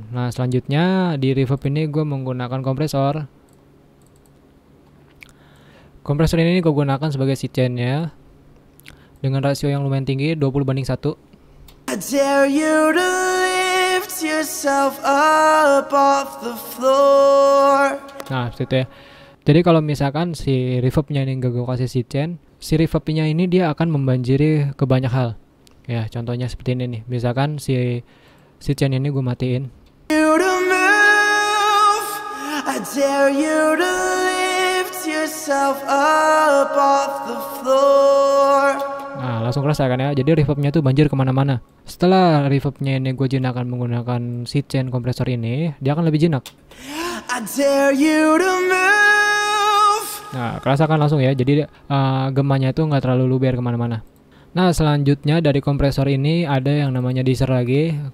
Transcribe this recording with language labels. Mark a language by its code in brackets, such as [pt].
[id] Nah, selanjutnya di reverb ini gue menggunakan kompresor. Kompresor ini gue gunakan sebagai side chain-nya dengan rasio yang lumayan tinggi, 20:1. [en] I dare you to lift yourself up off the floor. [id] Nah, itu ya. Jadi kalau misalkan si reverb-nya ini gak gue kasih side chain, si reverb-nya ini dia akan membanjiri ke banyak hal. Ya, contohnya seperti ini nih. Misalkan si side chain ini gue matiin. [en] You to move. I dare you to lift yourself up off the floor. [id] Nah, langsung kerasa kan ya. Jadi reverb-nya tuh banjir kemana-mana. Setelah reverb-nya ini gue jinakkan menggunakan side chain kompresor ini, dia akan lebih jinak. [en] I dare you to move. [id] Nah, kerasakan langsung ya. Jadi gemanya itu nggak terlalu luber kemana-mana. Nah, selanjutnya dari kompresor ini ada yang namanya Deezer lagi.